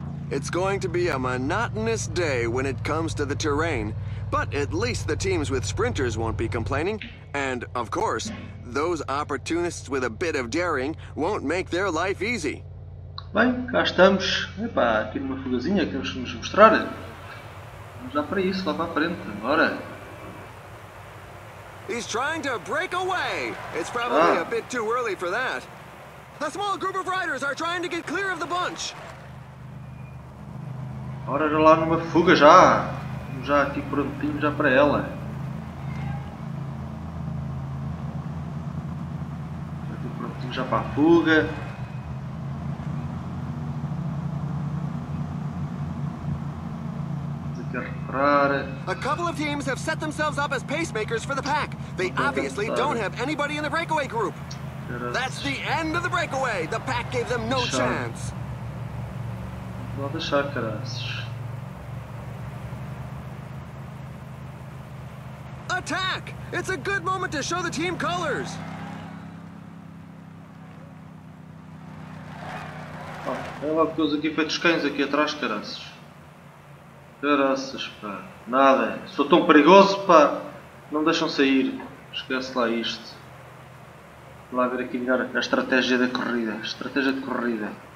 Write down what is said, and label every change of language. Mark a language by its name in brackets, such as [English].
[English] It's going to be a monotonous day when it comes to the terrain. But at least the teams with sprinters won't be complaining. And, of course, those opportunists with a bit of daring won't make their life easy. [Portuguese] Bem, cá estamos. Epá, aqui numa fugazinha que temos que nos mostrar. Vamos lá para isso, lá para a frente, agora. [English] He's trying to break away. It's probably a bit too early for that. A small group of riders are trying to get clear of the bunch. [Portuguese] Ora, já lá numa fuga já. Já aqui prontinho já para ela. Já aqui prontinho já para a fuga. Vamos aqui reparar. [English] A couple of teams have set themselves up as pacemakers for the pack. They obviously don't have anybody in the breakaway group. That's the end of the breakaway. The pack gave them no chance. [Portuguese] Vou deixar, caras. [English] Attack! It's a good moment to show the team colors. [Portuguese] Oh, olha que os aqui feitos cães aqui atrás, caraças. Caraças, pá. Nada. Sou tão perigoso, pá. Não deixam sair. Esquece lá isto. Vou lá ver aqui melhor a estratégia da corrida. Estratégia de corrida.